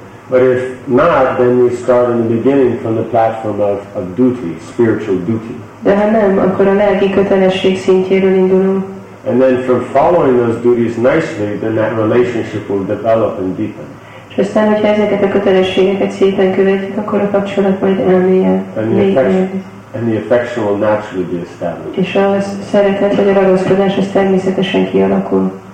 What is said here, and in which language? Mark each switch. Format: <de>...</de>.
<en>But if not, then we start in the beginning from the platform of duty, spiritual duty.</en> <hu>De ha nem, akkor a lelki kötelesség szintjéről indulunk.</hu> <en>And then from following those duties nicely, then that relationship will develop and deepen.</en> <hu>És aztán, hogyha ezeket a kötelességeket szépen követjük, akkor a kapcsolat majd elmélyed.</hu> <en>And the affection will naturally be established.</en> <hu>És a szeretet vagy a ragaszkodás az természetesen kialakul.</hu>